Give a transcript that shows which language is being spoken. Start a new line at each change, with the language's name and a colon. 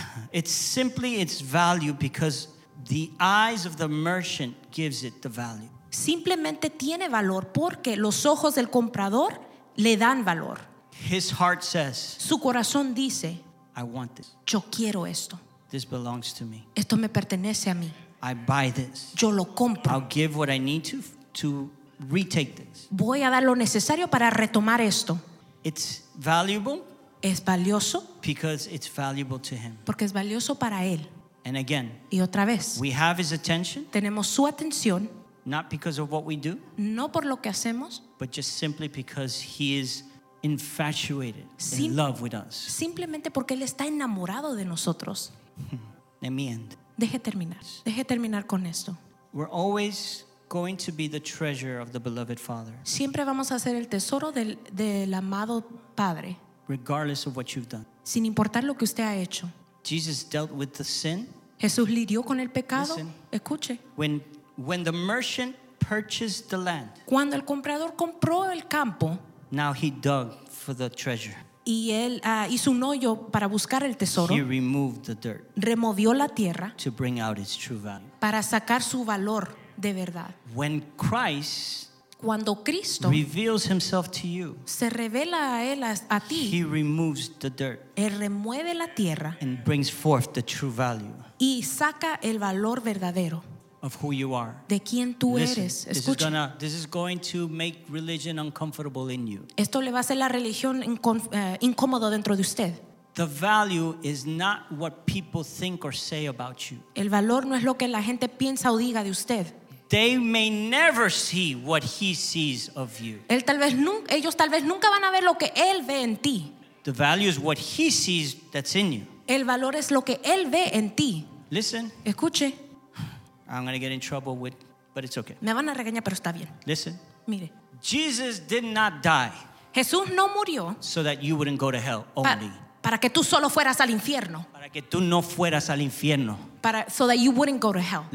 English: It's simply its value because the eyes of the merchant gives it the value.
Spanish: Simplemente tiene valor porque los ojos del comprador le dan valor.
English: His heart says.
Spanish: Su corazón dice.
English: I want this.
Spanish: Yo quiero esto.
English: This belongs to me.
Spanish: Esto me pertenece a mí.
English: I buy this.
Spanish: Yo lo compro.
English: I'll give what I need to retake this.
Spanish: Voy a dar lo necesario para retomar esto.
English: It's valuable.
Spanish: Es valioso.
English: Because it's valuable to him.
Spanish: Porque es valioso para él.
English: And again.
Spanish: Y otra vez.
English: We have his attention.
Spanish: Tenemos su atención.
English: Not because of what we do.
Spanish: No por lo que hacemos.
English: But just simply because he is infatuated in love with us.
Spanish: Simplemente porque él está enamorado de nosotros.
English: Let me end.
Spanish: Deje terminar con esto.
English: We're always going to be the treasure of the beloved Father.
Spanish: Siempre vamos a ser el tesoro del amado Padre.
English: Regardless of what you've done.
Spanish: Sin importar lo que usted ha hecho.
English: Jesus dealt with the sin.
Spanish: Jesús lidió con el pecado.
English: Listen,
Spanish: escuche.
English: When the merchant purchased the land.
Spanish: Cuando el comprador compró el campo.
English: Now he dug for the treasure.
Spanish: Y él hizo un hoyo para buscar el tesoro.
English: He removed the dirt.
Spanish: Removió la tierra.
English: To bring out its true value.
Spanish: Para sacar su valor de verdad.
English: When Christ,
Spanish: cuando Cristo,
English: reveals himself to you,
Spanish: se revela a él a ti.
English: He removes the dirt.
Spanish: Él remueve la tierra.
English: And brings forth the true value.
Spanish: Y saca el valor verdadero.
English: Of who you are.
Spanish: De quién tú
English: Listen,
Spanish: eres.
English: This is going to make religion uncomfortable in you.
Spanish: Esto le va a hacer la religión incómodo dentro de usted.
English: The value is not what people think or say about you.
Spanish: El valor no es lo que la gente piensa o diga de usted.
English: They may never see what he sees of you.
Spanish: Ellos tal vez nunca van a ver lo que él ve en ti.
English: The value is what he sees that's in you.
Spanish: El valor es lo que él ve en ti.
English: Listen.
Spanish: Escuche.
English: I'm going to get in trouble with, but it's okay.
Spanish: Me van a regañar, pero está bien.
English: Listen.
Spanish: Mire.
English: Jesus did not die.
Spanish: Jesús no murió.
English: So that you wouldn't go to hell only.
Spanish: Para que tú solo fueras al infierno. Para que tú no fueras al infierno.
English: So that you wouldn't go to hell.